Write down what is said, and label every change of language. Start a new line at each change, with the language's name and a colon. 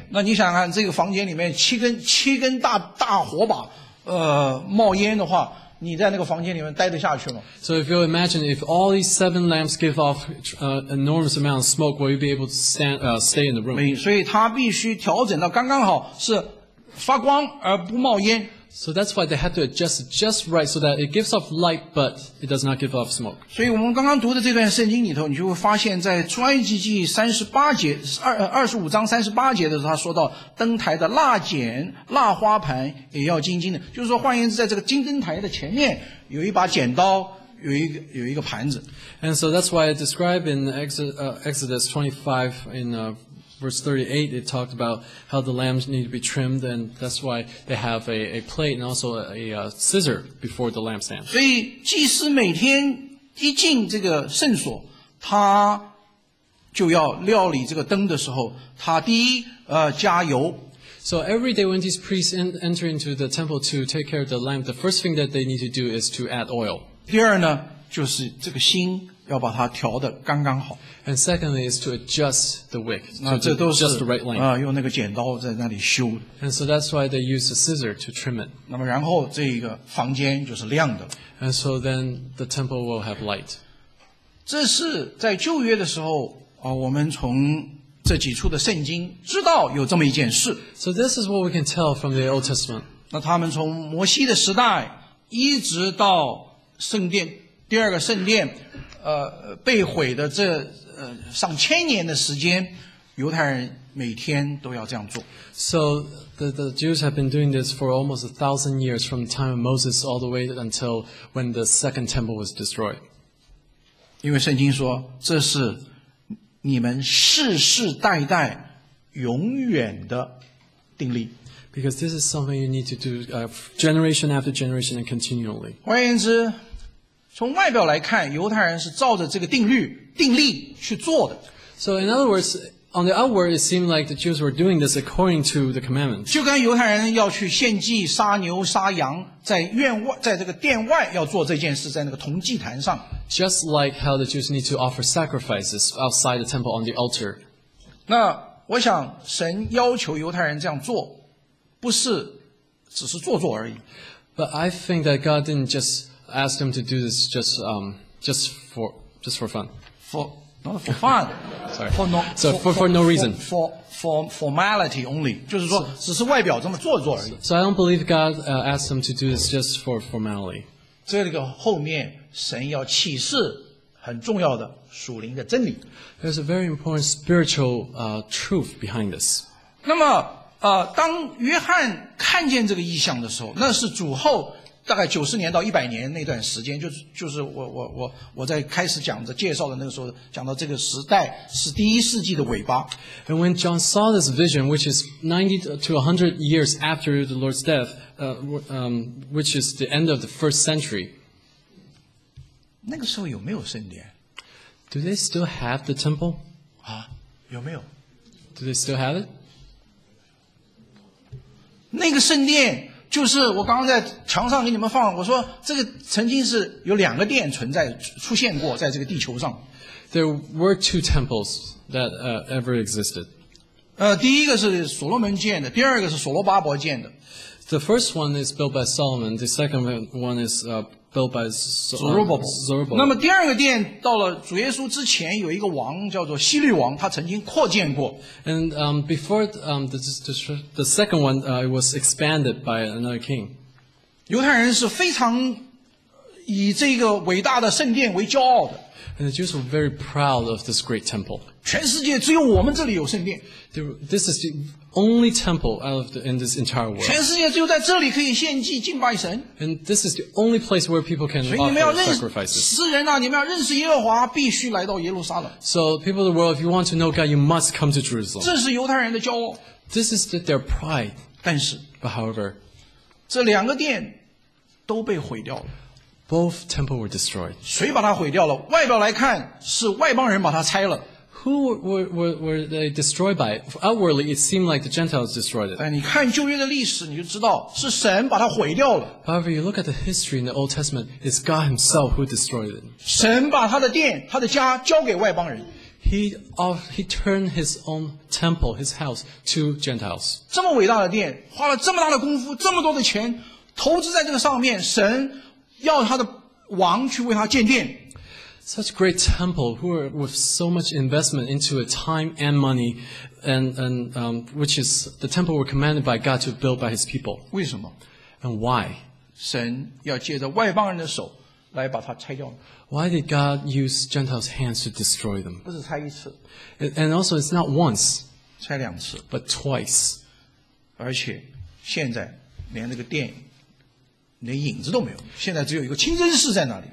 Chinese: 那你想看这个房间里面七根大火把，冒烟的话，你在那个房间里面待得下去吗
English: ？So if you imagine if all these seven lamps give off enormous amount of smoke, will you be able to stay in the room？
Chinese: 所以它必须调整到刚刚好是发光而不冒烟。
English: So that's why they had to adjust just right so that it gives off light, but it does not give off smoke.
Chinese: 所以我们刚刚读的这段圣经里头，你就会发现，在出埃及记三十八节25章38节的时候，他说到灯台的蜡剪、蜡花盘也要金金的，就是说，换言之，在这个金灯台的前面有一把剪刀。有一个盘子。
English: And so that's why it described in Exodus 25 in verse 38, it talked about how the lamps need to be trimmed, and that's why they have a plate and also a scissor before the lampstand.
Chinese: 所以祭司每天一进这个圣所，他就要料理这个灯的时候，他第一加油。
English: So every day when these priests enter into the temple to take care of the lamp, the first thing that they need to do is to add oil.
Chinese: 第二呢，就是这个心要把它调得刚刚好。
English: And secondly is to adjust the wick.
Chinese: 那这都是
English: just the right length.
Chinese: 啊，用那个剪刀在那里修。
English: And so that's why they use a scissor to trim it.
Chinese: 那么然后这一个房间就是亮的。
English: And so then the temple will have light.
Chinese: 这是在旧约的时候啊，我们从这几处的圣经知道有这么一件事。
English: So this is what we can tell from the Old Testament.
Chinese: 那他们从摩西的时代一直到圣殿第二个圣殿被毁的这上千年的时间，犹太人每天都要这样做。
English: So the Jews have been doing this for almost 1,000 years from the time of Moses all the way until when the second temple was destroyed.
Chinese: 因为圣经说这是你们世世代代永远的定例。
English: Because this is something you need to do generation after generation and continually.
Chinese: 换言之，从外表来看，犹太人是照着这个定律、定例去做的。
English: So in other words, on the outward, it seemed like the Jews were doing this according to the commandment.
Chinese: 就跟犹太人要去献祭、杀牛、杀羊，在院外，在这个殿外要做这件事，在那个铜祭坛上。
English: Just like how the Jews need to offer sacrifices outside the temple on the altar.
Chinese: 那我想，神要求犹太人这样做，不是只是做做而已。
English: But I think that God didn't just ask them to do this just for fun. Not for fun. Sorry. For no reason. For formality only.
Chinese: 就是说只是外表这么做做而已。
English: So I don't believe God asked them to do this just for formality.
Chinese: 这个后面神要启示很重要的属灵的真理。
English: There's a very important spiritual truth behind this.
Chinese: 那么当约翰看见这个异象的时候，那是主后大概90年到100年那段时间，就是我在开始讲的介绍的那个时候讲到这个时代是第一世纪的尾巴。
English: And when John saw this vision, which is 90 to 100 years after the Lord's death, which is the end of the first century.
Chinese: 那个时候有没有圣殿？
English: Do they still have the temple?
Chinese: 啊，有没有？
English: Do they still have it?
Chinese: 那个圣殿就是我刚刚在墙上给你们放，我说这个曾经是有两个殿存在出现过在这个地球上。
English: There were two temples that ever existed.
Chinese: 第一个是所罗门建的，第二个是所罗巴伯建的。
English: The first one is built by Solomon. The second one is built by Zerubbabel.
Chinese: 那么第二个殿到了主耶稣之前，有一个王叫做希律王，他曾经扩建过。
English: And before the second one, it was expanded by another king.
Chinese: 犹太人是非常以这个伟大的圣殿为骄傲的。
English: And the Jews were very proud of this great temple.
Chinese: 全世界只有我们这里有圣殿。
English: This is the only temple out of in this entire world.
Chinese: 全世界只有在这里可以献祭敬拜神。
English: And this is the only place where people can offer sacrifices.
Chinese: 世人啊，你们要认识耶和华，必须来到耶路撒冷。
English: So people of the world, if you want to know God, you must come to Jerusalem.
Chinese: 这是犹太人的骄傲。
English: This is their pride.
Chinese: 但是
English: ，But however,
Chinese: 这两个殿都被毁掉了。
English: Both temples were destroyed.
Chinese: 谁把它毁掉了？外表来看是外邦人把它拆了。
English: Who were they destroyed by? Outwardly, it seemed like the Gentiles destroyed it.
Chinese: 但你看旧约的历史，你就知道是神把它毁掉了。
English: However, you look at the history in the Old Testament, it's God Himself who destroyed it.
Chinese: 神把他的殿、他的家交给外邦人。
English: He turned his own temple, his house, to Gentiles.
Chinese: 这么伟大的殿，花了这么大的功夫、这么多的钱投资在这个上面，神要他的王去为他建殿。
English: Such great temple, who are with so much investment into a time and money, and which is the temple were commanded by God to build by His people.
Chinese: 为什么
English: ？And why?
Chinese: 神要借着外邦人的手来把它拆掉。
English: Why did God use Gentiles' hands to destroy them?
Chinese: 不是拆一次。
English: And also, it's not once.
Chinese: 拆两次。
English: But twice.
Chinese: 而且现在连那个殿连影子都没有，现在只有一个清真寺在那里。